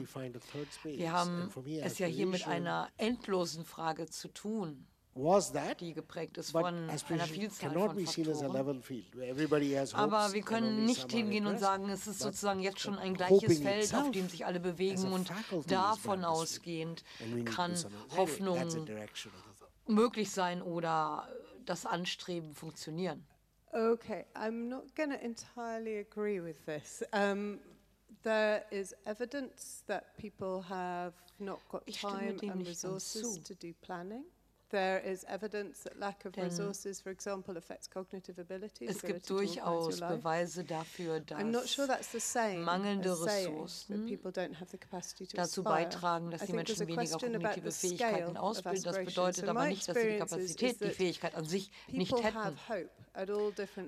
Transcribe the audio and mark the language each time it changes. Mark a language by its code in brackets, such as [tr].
[de] Wir haben es ja hier mit einer endlosen Frage zu tun, die geprägt ist von einer Vielzahl von Faktoren. Aber wir können nicht hingehen und sagen, es ist sozusagen jetzt schon ein gleiches Feld, auf dem sich alle bewegen, und davon ausgehend kann Hoffnung möglich sein oder das Anstreben funktionieren. [en] Okay, I'm not going to entirely agree with this. There is evidence that people have not got time and resources to do planning. There is evidence that lack of resources, for example, affects cognitive ability. [de] Es gibt durchaus Beweise dafür, dass mangelnde Ressourcen dazu beitragen, dass die Menschen weniger kognitive Fähigkeiten ausbilden. Das bedeutet aber nicht, dass sie die Kapazität, die Fähigkeit an sich nicht hätten.